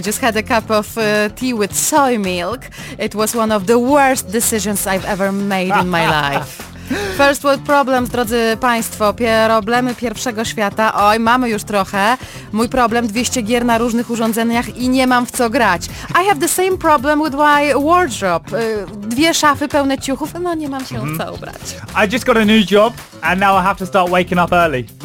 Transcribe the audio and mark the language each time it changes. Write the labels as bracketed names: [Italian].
[English] I just had a cup of tea with soy milk. It was one of the worst decisions I've ever made in my life. First world problems, [Polish] drodzy państwo, problemy pierwszego świata. Oj, mamy już trochę. Mój problem, 200 gier na różnych urządzeniach i nie mam w co grać. [English] I have the same problem with my wardrobe. [Polish] Dwie szafy pełne ciuchów, no nie mam się co ubrać. [English] I just got a new job and now I have to start waking up early.